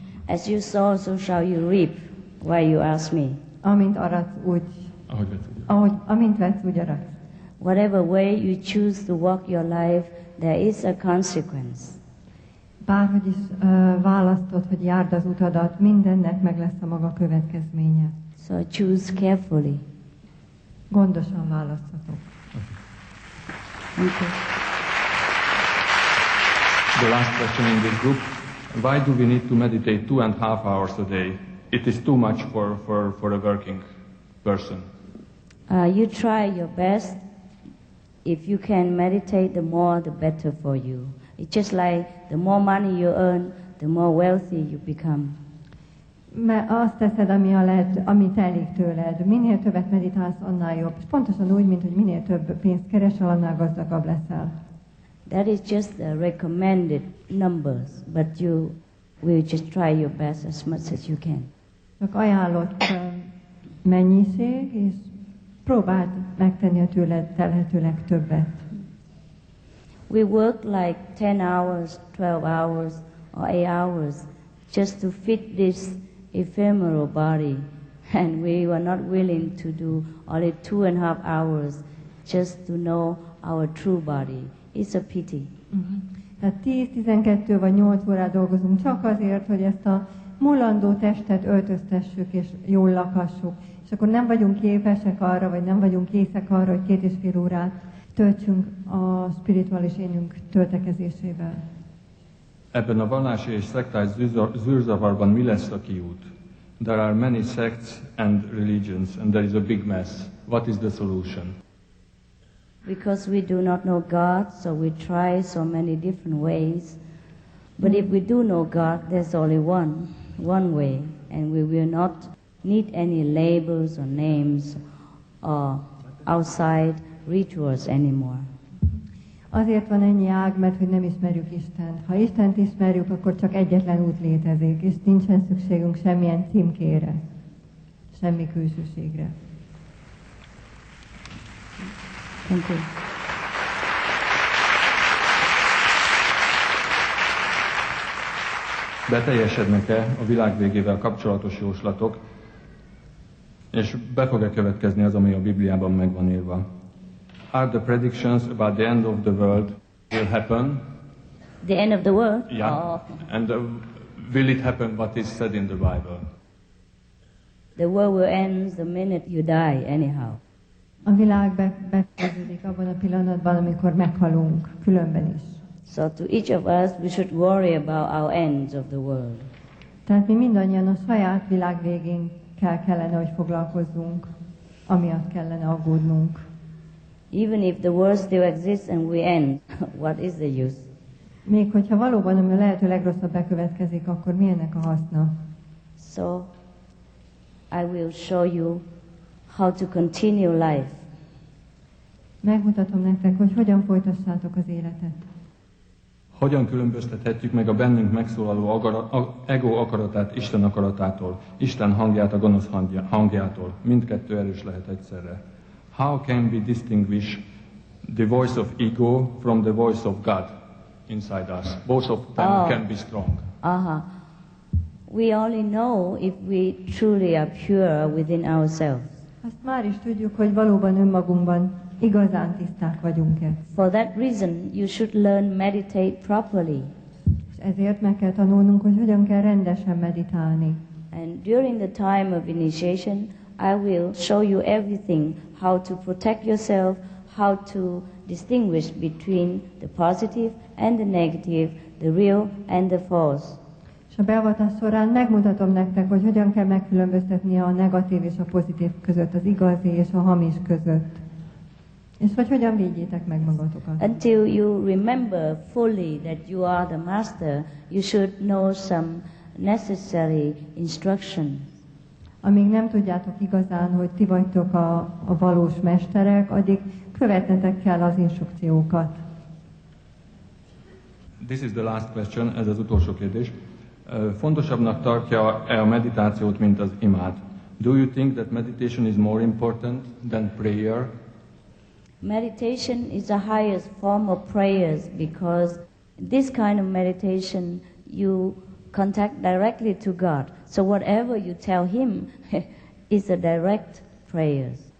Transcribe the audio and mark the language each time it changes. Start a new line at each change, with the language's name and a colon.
English: As you sow, so shall you reap, why you ask me.
Hungarian: Amint aratsz, úgy. Ahogy vetsz. Amint vetsz, úgy aratsz.
English: Whatever way you choose to walk your life, there is a consequence.
Hungarian: Bárhogy is választod, hogy járd az utadat, mindennek meg lesz a maga következménye.
English: So choose carefully.
Hungarian: Gondosan választhatok.
English: Okay. The last question in this group. Why do we need to meditate 2.5 hours a day? It is too much for a working person. You try your best. If you can meditate, the more, the better for you. It's just like the more money you earn, the more wealthy you become.
Hungarian: Mert azt teszed, ami telik tőled. Minél többet meditálsz, annál jobb. És pontosan úgy, mint hogy minél több pénzt keresel, annál gazdagabb leszel.
English: That is just the recommended numbers, but you will just try your best as much as you can.
Hungarian: Csak ajánlott mennyiség, és próbáld megtenni a tőled telhető legtöbbet.
English: We work like 10 hours, 12 hours, or 8 hours just to fit this ephemeral body, and we were not willing to do only 2.5 hours just to know our true body. It's a pity. Uh-huh.
Hungarian: Tehát 10-12 vagy 8 órát dolgozunk csak azért, hogy ezt a mulandó testet öltöztessük és jól lakassuk. És akkor nem vagyunk képesek arra, vagy nem vagyunk készek arra, hogy 2.5 órát töltsünk a spirituális énünk töltekezésével. Ebben a vallási és szektás zűrzavarban mi lesz a kiút?
English: There are many sects and religions, and there is a big mess. What is the solution? Because we do not know God, so we try so many different ways. But if we do know God, there's only one way, and we will not need any labels or names or outside rituals anymore.
Hungarian: Azért van ennyi ág, mert hogy nem ismerjük Istent. Ha Istent ismerjük, akkor csak egyetlen út létezik, és nincsen szükségünk semmilyen címkére, semmi külsőségre.
English: Thank you.
Hungarian: Beteljesednek-e a világ végével kapcsolatos jóslatok, és be fog-e következni az, ami a Bibliában megvan írva?
English: Are the predictions about the end of the world will happen? The end of the world? Yeah. Oh. And will it happen what is said in the Bible? The world will end the minute you die anyhow.
Hungarian: A világ befejeződik abban a pillanatban, amikor meghalunk, különben is.
English: So to each of us, we should worry about our ends of the world.
Hungarian: Tehát mi mindannyian a saját világ végén kellene, hogy foglalkozzunk, amiatt kellene aggódnunk.
English: Even if the world still exists and we end, what is the use?
Hungarian: Még hogyha valóban a lehető legrosszabb bekövetkezik, akkor mi ennek a haszna?
English: So, I will show you how to continue life.
Hungarian: Megmutatom nektek, hogy hogyan folytassátok az életet. Hogyan különböztethetjük meg a bennünk megszólaló ego akaratát Isten akaratától, Isten hangját a gonosz hangjától. Mindkettő erős lehet egyszerre.
English: How can we distinguish the voice of ego from the voice of God inside us? Both of them can be strong. Uh-huh. We only know if we truly are pure within ourselves.
Hungarian: Azt már is tudjuk, hogy valóban önmagunkban igazán tiszták vagyunk-e.
English: For that reason, you should learn meditate properly.
Hungarian: És ezért meg kell tanulnunk, hogy hogyan kell rendesen meditálni.
English: And during the time of initiation, I will show you everything, how to protect yourself, how to distinguish between the positive and the negative, the real and the false.
Hungarian: A beavatás során megmutatom nektek, hogy hogyan kell megkülönböztetni a negatív és a pozitív között, az igazi és a hamis között. És hogy hogyan védjétek meg magatokat.
English: Until you remember fully that you are the master, you should know some necessary instructions.
Hungarian: Amíg nem tudjátok igazán, hogy ti vagytok a valós mesterek, addig Követnetek kell az instrukciókat.
English: This is the last question,
Hungarian: ez az utolsó kérdés. Fontosabbnak tartja-e a meditációt, mint az imád?
English: Do you think that meditation is more important than prayer? Meditation is the highest form of prayers because this kind of meditation you contact directly to God. So whatever you tell him is a direct prayer.